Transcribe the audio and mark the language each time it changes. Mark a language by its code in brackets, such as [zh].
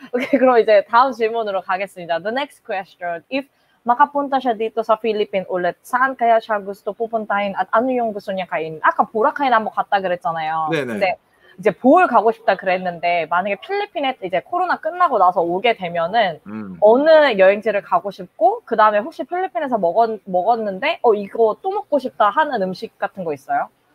[ko] 오케이, 그럼 이제 다음 질문으로 가겠습니다. [en] The next question. [tl] If makapunta siya dito sa Philippines ulit, saan kaya siya gusto pupuntahin at ano yung gusto niya kain? [ko] 아까 보라카이나 한번 갔다 그랬잖아요. 네네. 근데 이제 볼 가고 싶다 그랬는데 만약에 필리핀에 이제 코로나 끝나고 나서 오게 되면은 어느 여행지를 가고 싶고 그 다음에 혹시 필리핀에서 먹었는데 어 이거 또 먹고 싶다 하는 음식 같은 거 있어요?